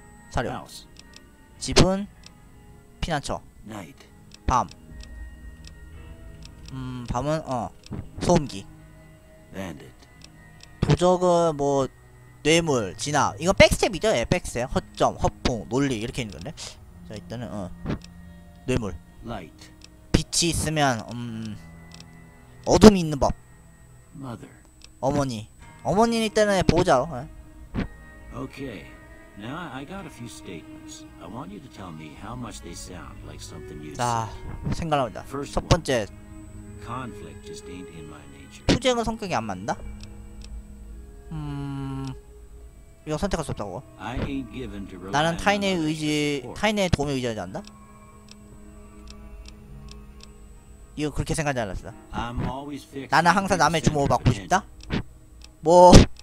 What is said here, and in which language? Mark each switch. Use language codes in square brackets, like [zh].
[ko] 사료 집은 피난처 밤 밤은 소음기 도적은 뭐 뇌물 진압 이거 백스텝이죠. 예 백스텝 허점 허풍 논리 이렇게 있는 건데 자 일단은 뇌물 빛이 있으면 어둠이 있는 법 어머니 어머니는 일단은 보호자. [en] 오케이 Now I got a few statements. I want you to tell me how much they sound like something you. [ko] 자, 생각납니다. 첫 번째. [en] Conflict just ain't in my nature. [ko] 투쟁은 성격이 안 맞는다. 이거 선택할 수 없다고. [en] I ain't given to. [ko] 나는 타인의 의지, 타인의 도움에 의지하지 않는다. 이거 그렇게 생각하지 않았어. 나는 항상 남의 주목을 받고 싶다. 뭐.